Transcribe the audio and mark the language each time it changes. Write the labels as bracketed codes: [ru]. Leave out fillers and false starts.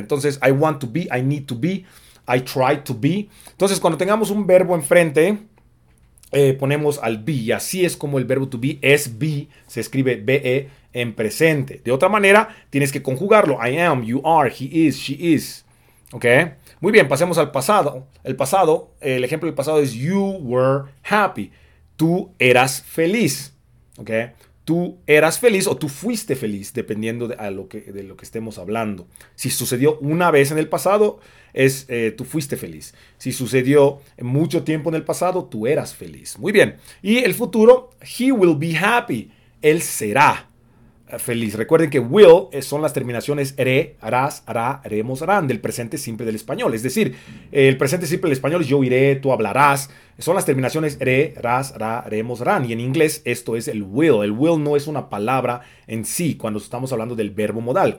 [en] Entonces, I want to be, I need to be, I try to be. [es] Entonces, cuando tengamos un verbo enfrente, ponemos al be, y así es como el verbo to be es be, se escribe be en presente. De otra manera, tienes que conjugarlo. [en] I am, you are, he is, she is. ¿Ok? [es] Muy bien, pasemos al pasado. El pasado, el ejemplo del pasado es [en] you were happy. [es] Tú eras feliz. ¿Ok? Tú eras feliz o tú fuiste feliz, dependiendo de, a lo que, de lo que estemos hablando. Si sucedió una vez en el pasado, es tú fuiste feliz. Si sucedió mucho tiempo en el pasado, tú eras feliz. Muy bien. Y el futuro, [en] he will be happy. [es] Él será feliz. Recuerden que will son las terminaciones re, harás, hará, haremos, harán del presente simple del español. Es decir, el presente simple del español es yo iré, tú hablarás. Son las terminaciones re, ras, ra, haremos, harán. Y en inglés esto es el will. El will no es una palabra en sí cuando estamos hablando del verbo modal.